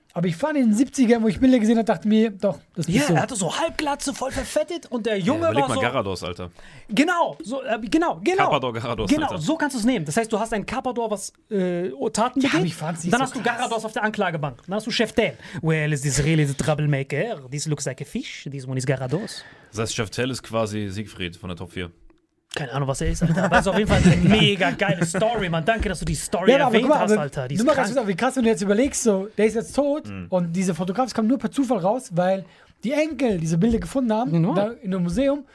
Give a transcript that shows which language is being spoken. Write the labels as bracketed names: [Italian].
[German] Aber ich fand in den 70ern, wo ich Bilder gesehen habe, dachte mir, doch, das ist so. Ja, er hatte so Halbglatze, voll verfettet und der Junge war so. Überleg mal Garados, Alter. Genau, so, genau. Carpador, Garados, genau, Alter. So kannst du es nehmen. Das heißt, du hast ein Carpador, was Taten begeht. Ja, ich fand dann so hast krass. Du Garados auf der Anklagebank. Dann hast du Chef Tell. [English] Well, is this really the troublemaker? This looks like a fish. This one is Garados. [German] Das heißt, Chef Tell ist quasi Siegfried von der Top 4. Keine Ahnung, was er ist, Alter. Aber es ist auf jeden Fall eine mega geile Story, Mann. Danke, dass du die Story erwähnt mal, hast, Alter. Die ist krank. Mal, wie krass, wenn du jetzt überlegst, so, der ist jetzt tot und diese Fotografs kamen nur per Zufall raus, weil die Enkel diese Bilder gefunden haben, da in einem Museum.